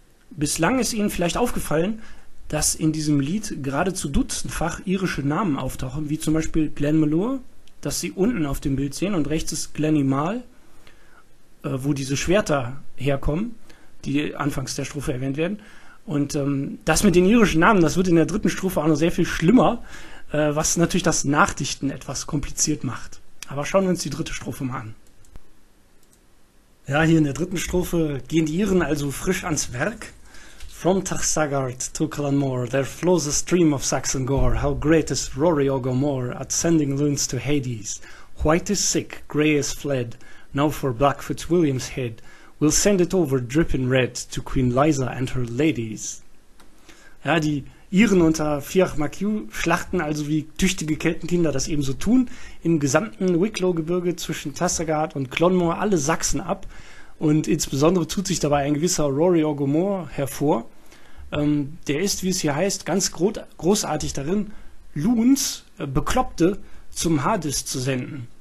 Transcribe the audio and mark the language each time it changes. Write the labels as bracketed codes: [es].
[de] Bislang ist Ihnen vielleicht aufgefallen, dass in diesem Lied geradezu dutzendfach irische Namen auftauchen, wie zum Beispiel Glenmalure, das Sie unten auf dem Bild sehen, und rechts ist Glenimal, wo diese Schwerter herkommen, die anfangs der Strophe erwähnt werden. Und das mit den irischen Namen, das wird in der dritten Strophe auch noch sehr viel schlimmer, was natürlich das Nachdichten etwas kompliziert macht. Aber schauen wir uns die dritte Strophe mal an. Ja, hier in der dritten Strophe gehen die Iren also frisch ans Werk. [en] From Taxagart to Clanmore, there flows a stream of Saxon gore. How great is Rory Ogamore at sending loons to Hades. White is sick, grey is fled, now for Blackfoot William's head, we'll send it over dripping red to Queen Liza and her ladies. [de] Ja, die Iren unter Fiach Mac Hugh schlachten also wie tüchtige Keltenkinder das eben so tun, im gesamten Wicklow-Gebirge zwischen Tassagard und Clonmore alle Sachsen ab. Und insbesondere tut sich dabei ein gewisser Rory O'Gomore hervor. Der ist, wie es hier heißt, ganz großartig darin, Loons, Bekloppte, zum Hades zu senden.